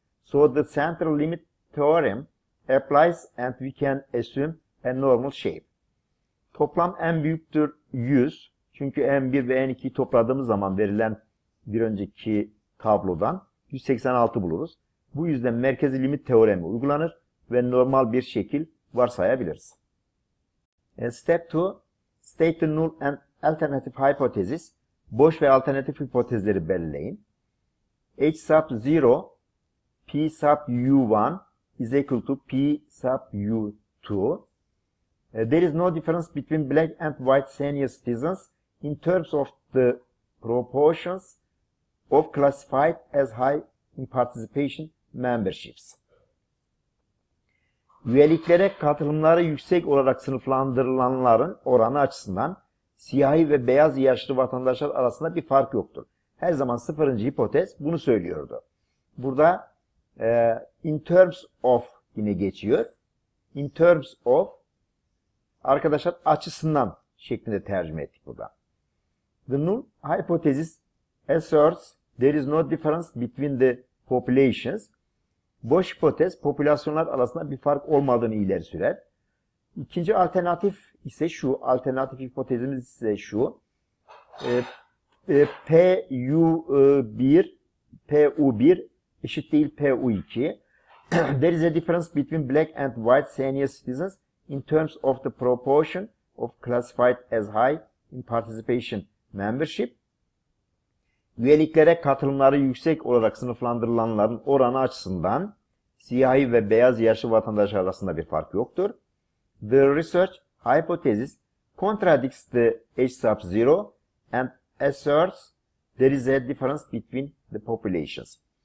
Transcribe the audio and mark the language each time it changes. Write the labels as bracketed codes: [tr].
[en] So the central limit theorem applies and we can assume a normal shape. [tr] Toplam en büyüktür 100. Çünkü n1 ve n2'yi topladığımız zaman verilen bir önceki tablodan 186 buluruz. Bu yüzden merkezi limit teoremi uygulanır ve normal bir şekil varsayabiliriz. [en] Step 2. State the null and alternative hypothesis. [tr] Boş ve alternatif hipotezleri belirleyin. [en] H sub 0 P sub U1 is equal to P sub U2. There is no difference between black and white senior citizens in terms of the proportions of classified as high in participation memberships. [tr] Üyeliklere katılımları yüksek olarak sınıflandırılanların oranı açısından siyahi ve beyaz yaşlı vatandaşlar arasında bir fark yoktur. her zaman sıfırıncı hipotez bunu söylüyordu. Burada [en] in terms of [tr] yine geçiyor. [en] In terms of [tr] arkadaşlar açısından şeklinde tercüme ettik burada. [en] The null hypothesis asserts there is no difference between the populations. [tr] Boş hipotez popülasyonlar arasında bir fark olmadığını ileri sürer. İkinci alternatif ise şu, alternatif hipotezimiz ise şu. PU1 eşit değil PU2. [en] There is a difference between black and white senior citizens in terms of the proportion of classified as high in participation membership. [tr] Üyeliklere katılımları yüksek olarak sınıflandırılanların oranı açısından siyahi ve beyaz yaşlı vatandaş arasında bir fark yoktur. [en] The research hypothesis contradicts the H sub 0 and asserts there is a difference between the populations.